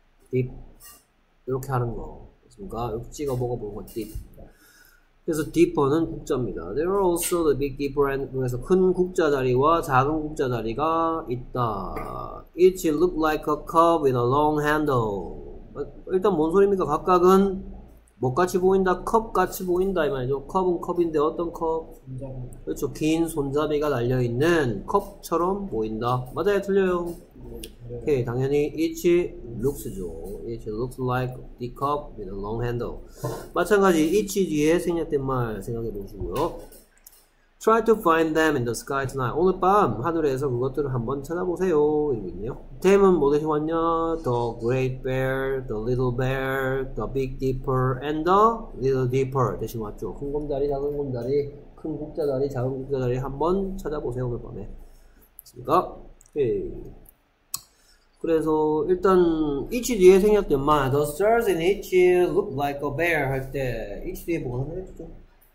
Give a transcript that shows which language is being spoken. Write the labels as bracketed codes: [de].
[ko] 딥 이렇게 하는 거 맞습니까? 육지가 뭐가 뭐가 딥. 그래서 딥퍼는 국자입니다. [en] There are also the big dipper. [ko] 그래서 큰 국자 자리와 작은 국자 자리가 있다. [en] Each look like a cup with a long handle. [ko] 일단 뭔 소리입니까? 각각은 뭐 같이 보인다? 컵 같이 보인다 이 말이죠. 컵은 컵인데 어떤 컵? 그렇죠. 긴 손잡이가 달려 있는 컵처럼 보인다. 맞아요, 틀려요? 오케이, 당연히 [en] it looks [ko] 죠. [en] It looks like the cup with a long handle. [ko] 마찬가지 it 뒤에 생략된 말 생각해 보시고요. [en] Try to find them in the sky tonight. [ko] 오늘 밤 하늘에서 그것들을 한번 찾아보세요. 이거 있네요. Them은 뭐 대신 왔냐? [en] The great bear, the little bear, the big dipper, and the little dipper 대신 왔죠. [ko] 큰 곰다리, 작은 곰다리, 큰 국자다리, 작은 국자다리 한번 찾아보세요. 오늘 밤에. 됐습니까? 오케이. 그래서 일단 이치 뒤에 생략된 말 [en] The stars in each look like a bear [ko] 할때 이치 뒤에 뭐가 생겼죠?